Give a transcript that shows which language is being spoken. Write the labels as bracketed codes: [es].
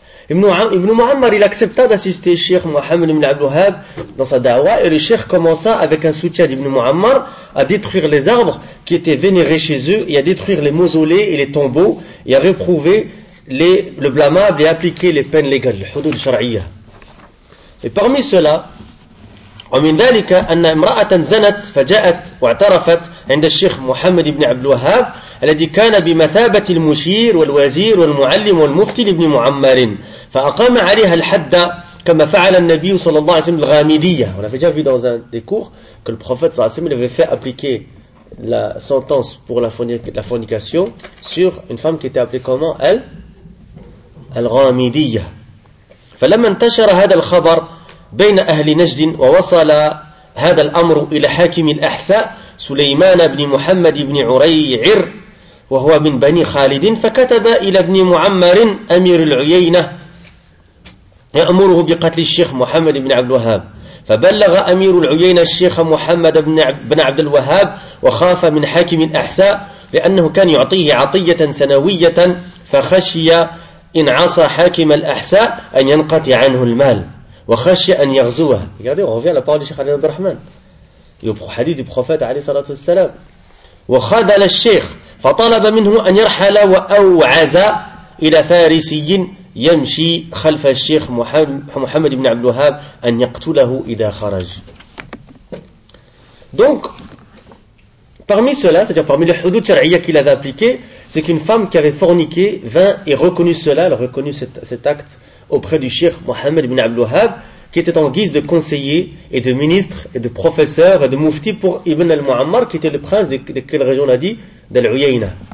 [fr] Ibn al-Mu'ammar, il accepta d'assister Cheikh Mohammed ibn al-Wahhab dans sa da'wa et le Cheikh commença avec un soutien d'Ibn al-Mu'ammar à détruire les arbres qui étaient vénérés chez eux et à détruire les mausolées et les tombeaux et à réprouver le blâmable et à appliquer les peines légales, le hudud shar'iyya. Et parmi cela, [ar] ومن ذلك أن امرأة زنت فجاءت واعترفت عند الشيخ محمد بن عبد الوهاب الذي كان بمثابة المشير والوزير والمعلم والمفتي لابن معمر فأقام عليها الحد كما فعل النبي صلى الله عليه وسلم الغامدية. [fr] On avait déjà vu dans un des cours que le prophète [ar] صلى الله عليه وسلم [fr] avait fait appliquer la sentence pour la fornication sur une femme qui était appelée comment elle الغامدية. [ar] فلما انتشر هذا الخبر بين أهل نجد ووصل هذا الأمر إلى حاكم الأحساء سليمان بن محمد بن عريعر وهو من بني خالد فكتب إلى ابن معمر أمير العيينة يأمره بقتل الشيخ محمد بن عبد الوهاب فبلغ أمير العيينة الشيخ محمد بن عبد الوهاب وخاف من حاكم الأحساء لأنه كان يعطيه عطية سنوية فخشي إن عصى حاكم الأحساء أن ينقطع عنه المال. [fr] Regardez, on revient à la parole du Cheikh Ali Abdurrahman. Et au hadith du prophète Ali salatu wassalam. [ar] وخذ للشيخ فطلب منه أن يرحل وأوعز إلى فارسي يمشي خلف الشيخ محمد بن عبد الوهاب أن يقتله إذا خرج. [fr] Donc, parmi cela, c'est-à-dire parmi les hudud shar'iyya qu'il avait appliqué, c'est qu'une femme qui avait forniqué vint et reconnu cela, elle a reconnu cet acte auprès du Cheikh Mohammed ibn Abdul Wahhab, qui était en guise de conseiller et de ministre et de professeur et de mufti pour Ibn al-Mu'ammar, qui était le prince de quelle région on a dit ? D'Al-Uyayna.